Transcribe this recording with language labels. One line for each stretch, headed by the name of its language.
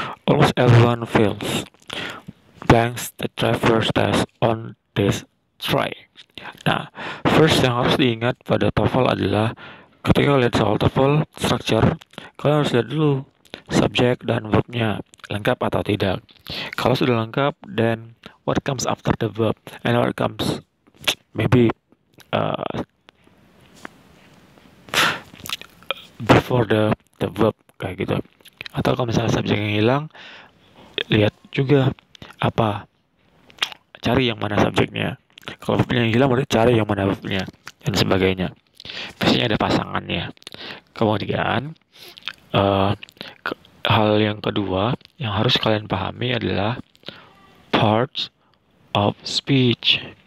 English: Almost everyone fails, blanks the driver's test on this try.
Indonesian: Nah, first yang harus diingat pada TOEFL adalah ketika lihat soal TOEFL structure, kalian harus lihat dulu subjek dan verbnya lengkap atau tidak. Kalau sudah lengkap,
English: then what comes after the verb and what comes maybe before the verb
Indonesian: kayak gitu. Atau kalau misalnya subjek yang hilang, lihat juga apa, cari yang mana subjeknya. Kalau verbnya yang hilang, berarti cari yang mana verbnya dan sebagainya. Biasanya ada pasangannya. Kemudian hal yang kedua yang harus kalian pahami adalah parts of speech.